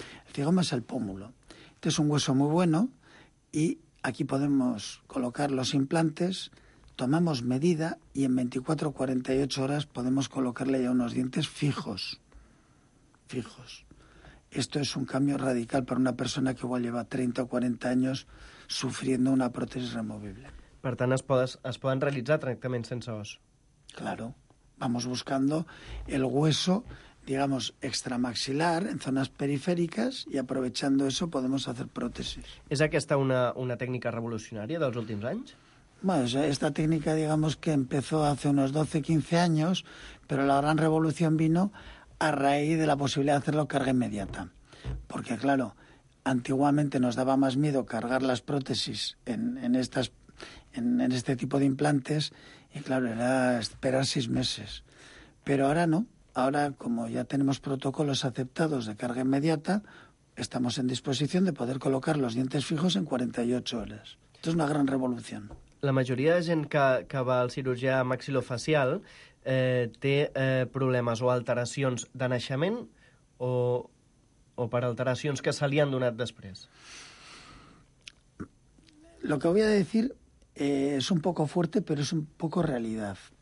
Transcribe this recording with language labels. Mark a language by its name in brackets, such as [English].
[Spanish] El cigoma es el pómulo. Este es un hueso muy bueno y aquí podemos colocar los implantes, tomamos medida y en 24 o 48 horas podemos colocarle ya unos dientes fijos. Fijos. Esto es un cambio radical para una persona que igual lleva 30 o 40 años sufriendo una prótesis removible. [Catalan] Per tant, es poden realitzar tractaments sense os. [Spanish] Claro. Vamos buscando el hueso, digamos, extramaxilar en zonas periféricas y aprovechando eso podemos hacer prótesis. [Catalan] ¿És aquesta una tècnica revolucionària dels últims anys? [Spanish] Bueno, esta técnica, digamos, que empezó hace unos 12, 15 años, pero la gran revolución vino a raíz de la posibilidad de hacerlo carga inmediata. Porque, claro, antiguamente nos daba más miedo cargar las prótesis en este tipo de implantes y, claro, era esperar 6 meses. Pero ahora no. Ahora, como ya tenemos protocolos aceptados de carga inmediata, estamos en disposición de poder colocar los dientes fijos en 48 horas. Esto es una gran revolución. [Catalan] La majoria de gent que va al cirurgià maxilofacial té problemes o alteracions de naixement o per alteracions que se li han donat després. [Spanish] Lo que voy a decir es un poco fuerte, pero es un poco realidad.